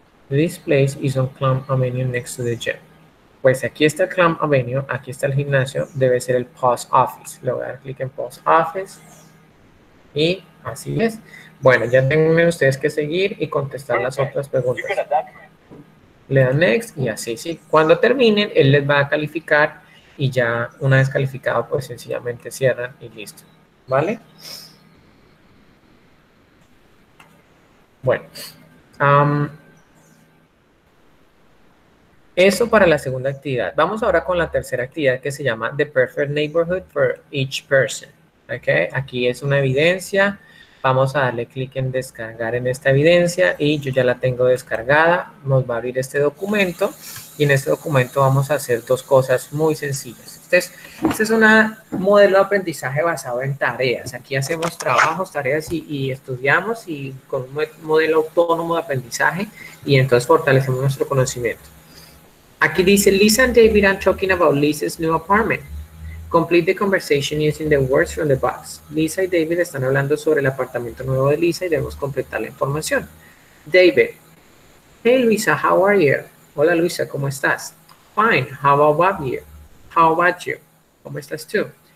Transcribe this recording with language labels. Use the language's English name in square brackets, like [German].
[English] This place is on Clum Avenue next to the gym. [Spanish] Pues aquí está Clum Avenue, aquí está el gimnasio, debe ser el post office. Le voy a dar clic en post office. Y así es. Bueno, ya tienen ustedes que seguir y contestar las otras preguntas. Le dan next y así, sí. Cuando terminen, él les va a calificar y ya una vez calificado, pues sencillamente cierran y listo. ¿Vale? Bueno. Eso para la segunda actividad. Vamos ahora con la tercera actividad que se llama The Perfect Neighborhood for Each Person. Okay. Aquí es una evidencia. Vamos a darle clic en descargar en esta evidencia y yo ya la tengo descargada. Nos va a abrir este documento y en este documento vamos a hacer dos cosas muy sencillas. Este es un modelo de aprendizaje basado en tareas. Aquí hacemos trabajos, tareas y estudiamos y con un modelo autónomo de aprendizaje y entonces fortalecemos nuestro conocimiento. Aquí dice, [English] Lisa and David are talking about Lisa's new apartment. Complete the conversation using the words from the box. [Spanish] Lisa y David están hablando sobre el apartamento nuevo de Lisa y debemos completar la información. [English] David, hey Lisa, how are you? [Spanish] Hola Luisa, ¿cómo estás? [English] Fine, how about you? How about you? [Spanish] ¿Cómo estás tú?